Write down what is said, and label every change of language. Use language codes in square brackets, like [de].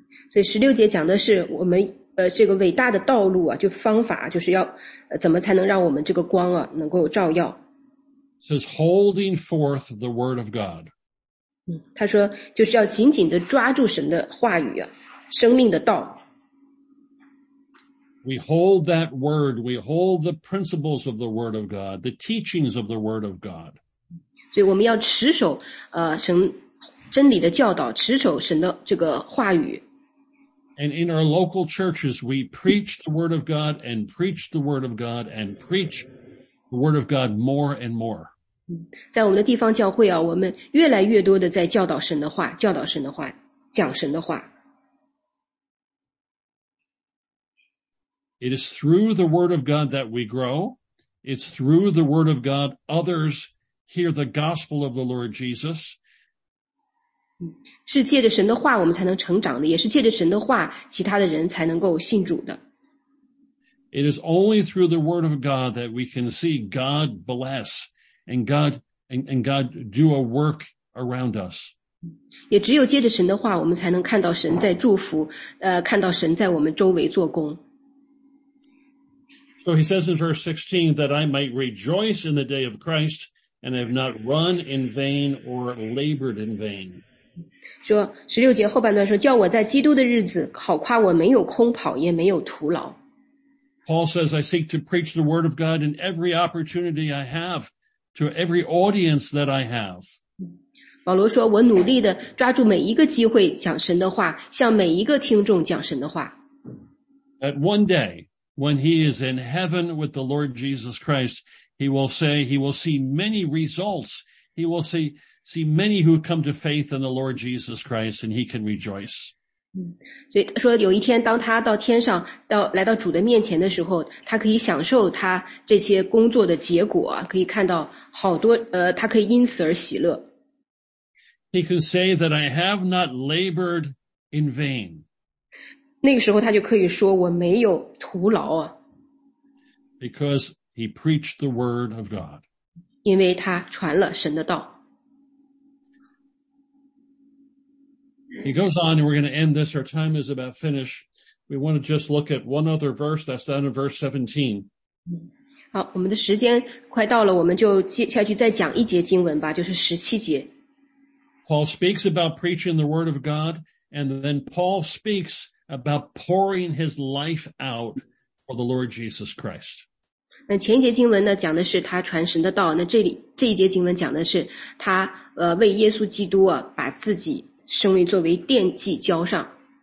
[zh] 所以十六节讲的是我们这个伟大的道路啊，就方法，就是要怎么才能让我们这个光啊能够照耀。 [en] It says holding forth the word of God. [zh] 他说就是要紧紧的抓住神的话语啊，生命的道。 [en] We hold that word. We hold the principles of the word of God, the teachings of the word of God. [zh] 所以我们要持守神真理的教导，持守神的这个话语。 [en] And in our local churches, we preach the word of God and preach the word of God and preach the word of God more and more. [zh] 在我们的地方教会啊，我们越来越多的在教导神的话，教导神的话，讲神的话。 [en] It is through the word of God that we grow. It's through the word of God others hear the gospel of the Lord Jesus. [zh] 是借着神的话我们才能成长的，也是借着神的话其他的人才能够信主的。 [en] It is only through the word of God that we can see God bless and God do a work around us. [zh] 也只有借着神的话我们才能看到神在祝福，看到神在我们周围做工。 [en] So he says in verse 16 that I might rejoice in the day of Christ and have not run in vain or labored in vain. [zh] 说十六节后半段说叫我在基督的日子好夸我没有空跑也没有徒劳。 [en] Paul says, I seek to preach the word of God in every opportunity I have to every audience that I have. [zh] 保罗说我努力地抓住每一个机会讲神的话向每一个听众讲神的话。 [en] At one day,When he is in heaven with the Lord Jesus Christ, he will say, he will see many results. He will see many who come to faith in the Lord Jesus Christ, and he can rejoice. [zh] 所以说有一天当他到天上到来到主的面前的时候他可以享受他这些工作的结果可以看到好多他可以因此而喜乐。 [en] He can say that I have not labored in vain. [zh] 那个时候他就可以说我没有徒劳啊。 [en] Because he preached the word of God. [zh] 因为他传了神的道。 [en] He goes on and we're going to end this. Our time is about finished. We want to just look at one other verse. That's down in verse 17. [zh] 好我们的时间快到了我们就接下去再讲一节经文吧就是17节。 [en] Paul speaks about preaching the word of God and then Paul speaks about pouring his life out for the Lord Jesus Christ. [zh] 那前一节经文呢讲的是他传神的道那这一节经文讲的是他为耶稣基督啊把自己生命作为奠祭交上。